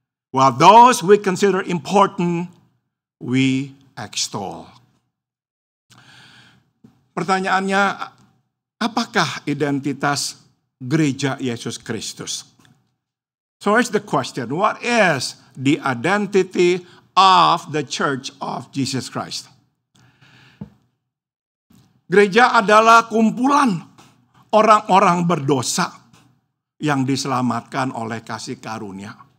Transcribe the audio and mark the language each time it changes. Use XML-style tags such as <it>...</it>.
<en>While those we consider important, we extol.</en> <id>Pertanyaannya, apakah identitas gereja Yesus Kristus?</id> <en>So here's the question. What is the identity of the Church of Jesus Christ?</en> <id>Gereja adalah kumpulan orang-orang berdosa yang diselamatkan oleh kasih karunia.</id>